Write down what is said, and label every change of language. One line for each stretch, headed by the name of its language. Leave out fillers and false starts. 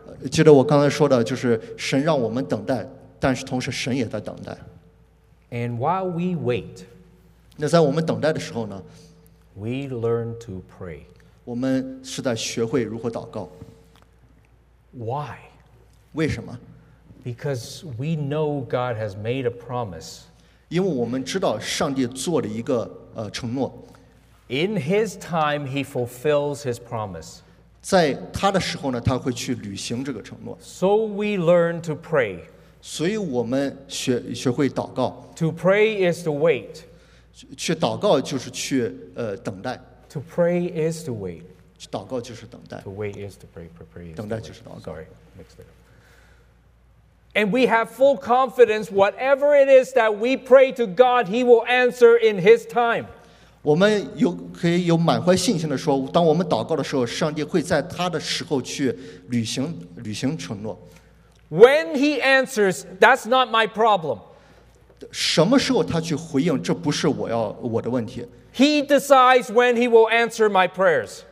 Chinese: 记得我刚才说的就是神让我们等待，但是同时神也在等待。
English: And while we wait,
Chinese: 那在我们等待的时候呢，
English: we learn to pray.
Chinese: 我们是在学会如何祷告。
English: Why?
Chinese: 为什么？
English: Because we know God has made a promise.
Chinese: 因为我们知道上帝做了一个承诺。
English: In his time, he fulfills his promise.
Chinese: 在他的时候呢，他会去履行这个承诺。
English: So we learn to pray.
Chinese: 所以我们学会祷告。
English: To pray is to wait.
Chinese: 去祷告就是去等待。
English: To pray is to wait.
Chinese: 去祷告就是等待。
English: To wait is to pray. Pray is
Chinese: 等待就是祷告。
English: Sorry, mixed it up. And we have full confidence, whatever it is that we pray to God, he will answer in his time.
Chinese: 我们可以有满怀信心的说，当我们祷告的时候，上帝会在他的时候去履行承诺。
English: When he answers, that's not my problem.
Chinese: 什么时候他去回应，这不是我的问题。
English: He decides when he will answer my prayers.